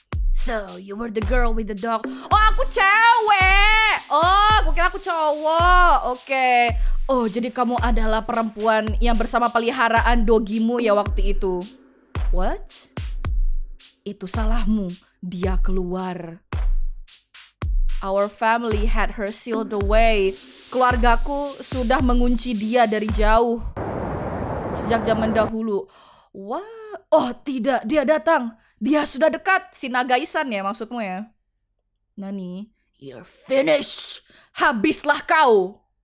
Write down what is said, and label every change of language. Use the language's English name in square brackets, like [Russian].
[English] So, you were the girl with the dog. [Indonesian] Oh, aku cewek. Oh, aku kira aku cowok. Oke. [English] Okay. [Indonesian] Oh, jadi kamu adalah perempuan yang bersama peliharaan dogimu ya waktu itu. [English] What? [Indonesian] Itu salahmu. Dia keluar. [English] Our family had her sealed away. [Indonesian] Keluargaku sudah mengunci dia dari jauh. Sejak zaman dahulu. Wah, oh tidak, dia datang. Dia sudah dekat. Si Nagaisan ya maksudmu ya? [Japanese] Nani? [English] You're finished. [Indonesian] Habislah kau.